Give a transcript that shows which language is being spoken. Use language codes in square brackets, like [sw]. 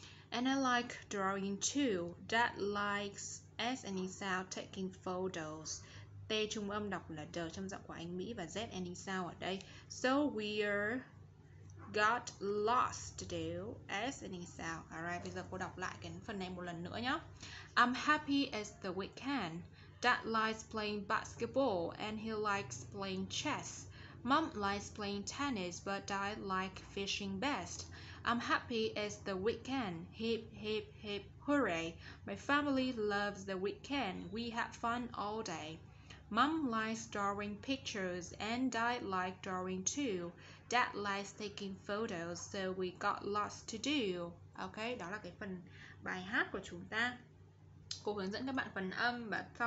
[en] And I like drawing too. Dad likes S ending sound taking photos. [vi] T trung âm đọc là D trong giọng của anh Mỹ và Z ending sound ở đây. [en] So we're got lost today. S ending sound. [vi] Alright, bây giờ cô đọc lại cái phần này một lần nữa nhé. [en] I'm happy as the weekend. Dad likes playing basketball and he likes playing chess. Mom likes playing tennis, but I like fishing best. I'm happy it's the weekend. Hip, hooray. My family loves the weekend. We have fun all day. Mom likes drawing pictures, and I like drawing too. Dad likes taking photos, so we got lots to do. [vi] Ok, đó là cái phần bài hát của chúng ta. Cô hướng dẫn các bạn phần âm và sau